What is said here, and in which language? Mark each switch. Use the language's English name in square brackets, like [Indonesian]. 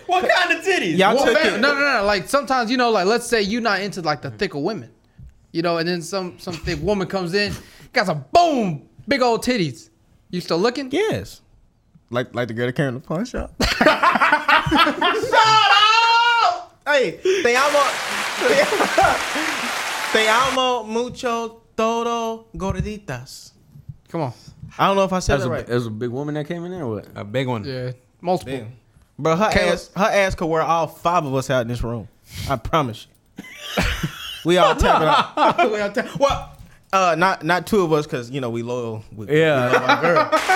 [English] What kind of titties? No. Like sometimes, you know, like let's say you're not into like the thicker women. You know, and then some thick woman comes in, got some boom. Big old titties. You still looking? Yes. Like the girl that came in the pawn shop. Shut up! [Spanish] Hey, te amo mucho todo gorditas. [English] Come on. I don't know if I said that right. There's a big woman that came in there or what? A big one. Yeah. Multiple. Damn. Bro, her ass could wear all five of us out in this room. I promise you. We all tap it out. What? Not two of us, cause you know we loyal. We love our girl.